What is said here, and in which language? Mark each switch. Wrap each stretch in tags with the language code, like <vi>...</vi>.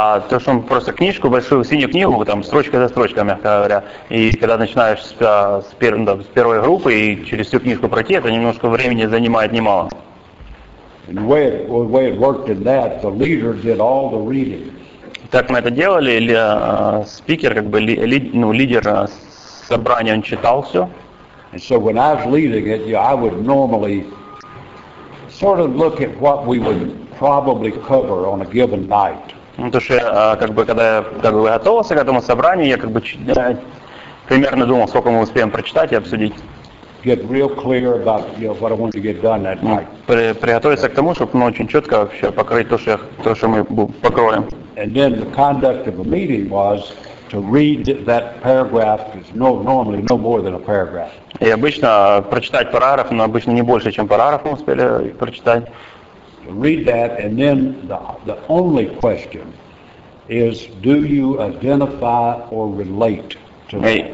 <ru>То, что просто книжку, большую синюю книгу, там строчка за строчкой, мягко говоря, и когда начинаешь с первой группы и через всю книжку пройти, это немножко времени занимает немало.</ru> <en>And the way it worked in that, the leader did all the reading.</en> <ru>Так мы это делали, или спикер, лидер собрание он читал все.</ru> <en>And so when I was leading it, I would normally sort of look at what we would probably cover on a given night.</en> <ru>Ну, то, что когда я готовился к этому собранию, я примерно думал, сколько мы успеем прочитать и обсудить.</ru> <en>Get real clear about what I want to get done that night.</en> <ru>Приготовиться к тому, чтобы очень четко вообще покрыть то, что мы покроем.</ru> <en>And then the conduct of a meeting was to read that paragraph is normally no more than a paragraph.</en> <ru>И обычно прочитать параграф, но обычно не больше, чем параграф мы успели прочитать.</ru> <en>Read that, and then the only question is, do you identify or relate to that?</en>